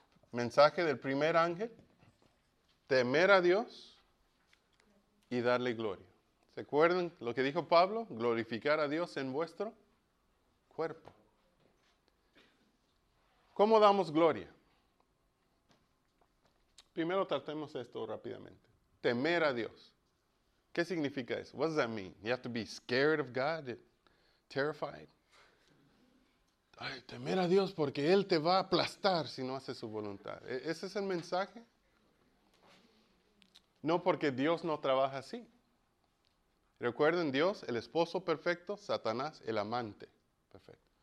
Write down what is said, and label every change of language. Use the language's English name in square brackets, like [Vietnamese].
[Spanish] Mensaje del primer ángel: temer a Dios y darle gloria. ¿Se acuerdan lo que dijo Pablo? Glorificar a Dios en vuestro cuerpo. ¿Cómo damos gloria? Primero tratemos esto rápidamente. Temer a Dios. ¿Qué significa eso? [English] What does that mean? You have to be scared of God, terrified. [Spanish] Ay, temer a Dios porque Él te va a aplastar si no haces su voluntad. ¿Ese es el mensaje? No, porque Dios no trabaja así. Recuerden, Dios, el esposo perfecto, Satanás, el amante perfecto.